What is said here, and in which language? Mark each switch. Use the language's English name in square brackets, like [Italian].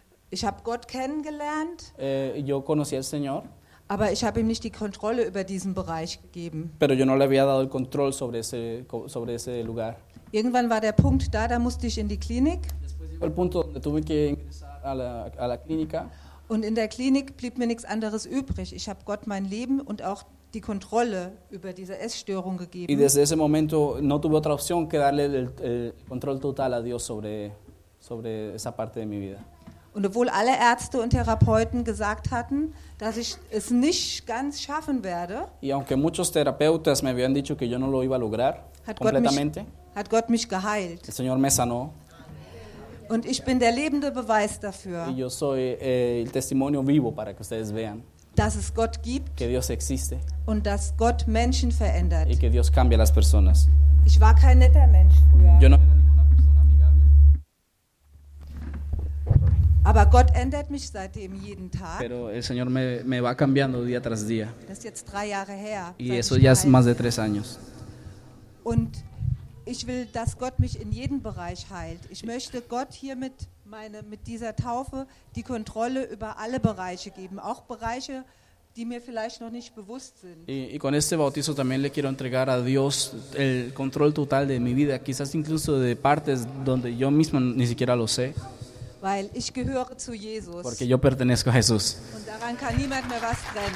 [German] Ich habe Gott kennengelernt. [Spanish] Yo conocí al Señor. [German] Aber ich habe ihm nicht die Kontrolle über diesen Bereich gegeben. [Spanish] Pero yo no le había dado el control sobre ese lugar. [German] Irgendwann war der Punkt da musste ich in die Klinik. [Spanish] El punto donde tuve que ingresar a la clínica. [German] Und in der Klinik blieb mir nichts anderes übrig. Ich habe Gott mein Leben und auch die Kontrolle über diese Essstörung gegeben. [Spanish] Y desde ese momento no tuve otra opción que darle el control total a Dios sobre esa parte de mi vida. [German] Und obwohl alle Ärzte und Therapeuten gesagt hatten, dass ich es nicht ganz schaffen werde. [Spanish] Y aunque muchos terapeutas me habían dicho que yo no lo iba a lograr [German] completamente. Hat Gott mich geheilt. [Spanish] El Señor me sanó. [German] Und ich bin der lebende Beweis dafür. [Spanish] Y yo soy el testimonio vivo para que ustedes vean. [German] Dass es Gott gibt. [Spanish] Que Dios existe. [German] Und dass Gott Menschen verändert. [Spanish] Y que Dios cambia las personas. [German] Ich war kein netter Mensch früher. [Spanish] Yo no era ninguna persona amigable. [German] Aber Gott ändert mich seitdem jeden Tag. [Spanish] Pero el Señor me va cambiando día tras día. [German] Das ist jetzt 3 Jahre her. [Spanish] Y eso ya es más de 3 años. [German] Und ich will, dass Gott mich in jedem Bereich heilt. Ich möchte Gott hier mit dieser Taufe die Kontrolle über alle Bereiche geben, auch Bereiche, die mir vielleicht noch nicht bewusst sind. [Spanish] Y con este bautizo también le quiero entregar a Dios el control total de mi vida, quizás incluso de partes donde yo mismo ni siquiera lo sé. [German] Weil ich gehöre zu Jesus. [Spanish] Porque yo pertenezco a Jesús. [German] Und daran kann niemand mehr was trennen.